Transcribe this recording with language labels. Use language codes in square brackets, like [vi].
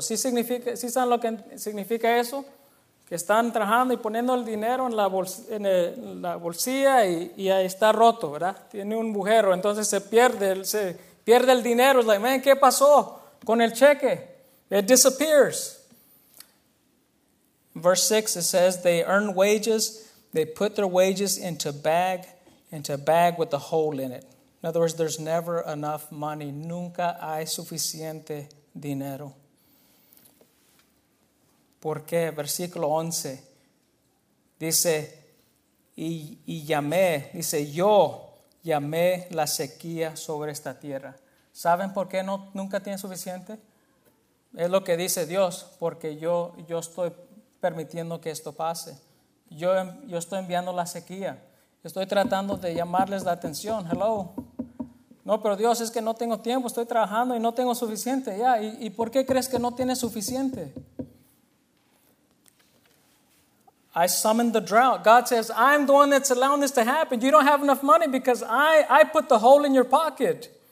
[es] ¿Sí saben lo que significa eso? Que están trabajando y poniendo el dinero en la bolsilla y ahí está roto, ¿verdad? Tiene un agujero, entonces se pierde el dinero. Es [en] like, man, [es] ¿qué pasó con el cheque? [en] It disappears. Verse 6, it says, they earn wages, they put their wages into a bag with a hole in it. In other words, there's never enough money. [es] Nunca hay suficiente dinero. ¿Por qué? Versículo 11. Dice, yo llamé la sequía sobre esta tierra. ¿Saben por qué nunca tiene suficiente? Es lo que dice Dios, porque yo estoy permitiendo que esto pase. Yo estoy enviando la sequía. Estoy tratando de llamarles la atención. Hello. No, pero Dios, es que no tengo tiempo, estoy trabajando y no tengo suficiente. Ya. ¿Y por qué crees que no tienes suficiente? [en] I summon the drought. God says, I'm the one that's allowing this to happen. You don't have enough money because I put the hole in your pocket.